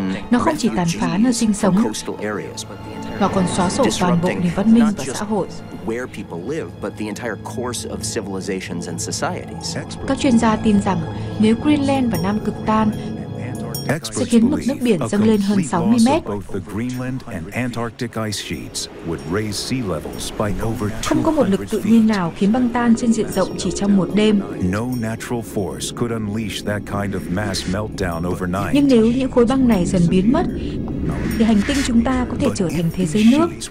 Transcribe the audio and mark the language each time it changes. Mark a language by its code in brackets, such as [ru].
[vi] Nó không chỉ tàn phá nơi sinh sống, nó còn xóa sổ toàn bộ nền văn minh và xã hội. [en] Where people live, but the entire course of civilizations and societies. [vi] Các chuyên gia tin rằng nếu Greenland và Nam Cực tan, sẽ khiến mực nước biển dâng lên hơn 60 mét. [en] Greenland and Antarctic ice sheets would raise sea levels by over 200 feet. [vi] Không có một lực tự nhiên nào khiến băng tan trên diện rộng chỉ trong một đêm. [en] No natural force could unleash that kind of mass meltdown overnight. [vi] Nhưng nếu những khối băng này dần biến mất, thì hành tinh chúng ta có thể trở thành thế giới nước.